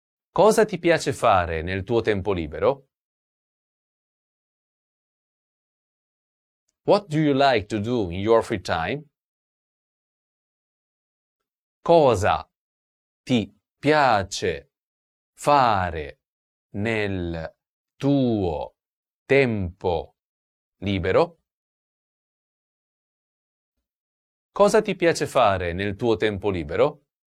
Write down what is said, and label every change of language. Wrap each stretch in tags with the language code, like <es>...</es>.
<it>Cosa ti piace fare nel tuo tempo libero?</it> <en>What do you like to do in your free time?</en> <it>Cosa ti piace fare nel tuo tempo libero? Cosa ti piace fare nel tuo tempo libero?</it>